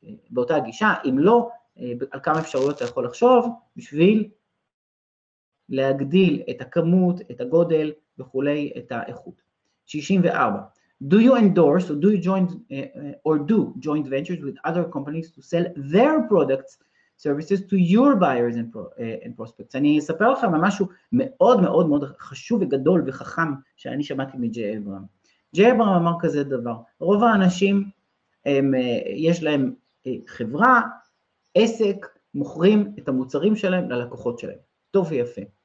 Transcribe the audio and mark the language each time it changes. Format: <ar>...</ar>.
<he>באותה הגישה, אם לא, על כמה אפשרויות אתה יכול לחשוב, בשביל להגדיל את הכמות, את הגודל, וכולי, את האיכות.</he> <en>64, do you endorse, or do you join, or do joint ventures with other companies to sell their products, services to your buyers and, and prospects?</en> <he>אני אספר לכם על משהו מאוד מאוד מאוד חשוב וגדול וחכם, שאני שמעתי מג'יי אברהם. ג'יי אברהם אמר כזה דבר, רוב האנשים יש להם חברה, עסק, מוכרים את המוצרים שלהם ללקוחות שלהם, טוב ויפה.</he>